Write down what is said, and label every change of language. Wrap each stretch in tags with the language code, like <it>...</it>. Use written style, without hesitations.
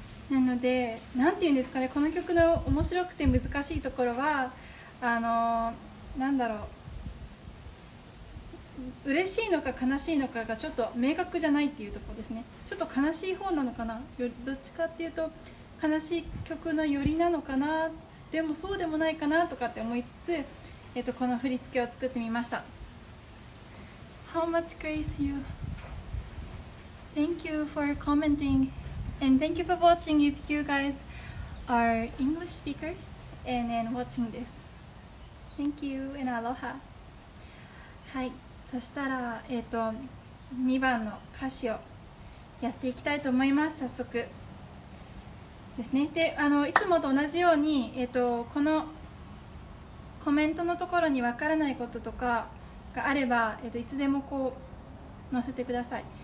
<ja>なので、なんて言うんですかね、この曲の面白くて難しいところは、なんだろう、嬉しいのか悲しいのかがちょっと明確じゃないっていうところですね。ちょっと悲しい方なのかな、どっちかっていうと悲しい曲のよりなのかな、でもそうでもないかなとかって思いつつ、この振り付けを作ってみました。</ja> <en>How much grace you Thank you for commenting And thank you for watching If you guys are English speakers And then watching thisThank you and aloha.</en> <ja>はい、そしたら、2番の歌詞をやっていきたいと思います。早速ですね。で、いつもと同じように、このコメントのところにわからないこととかがあれば、いつでもこう載せてください。</ja>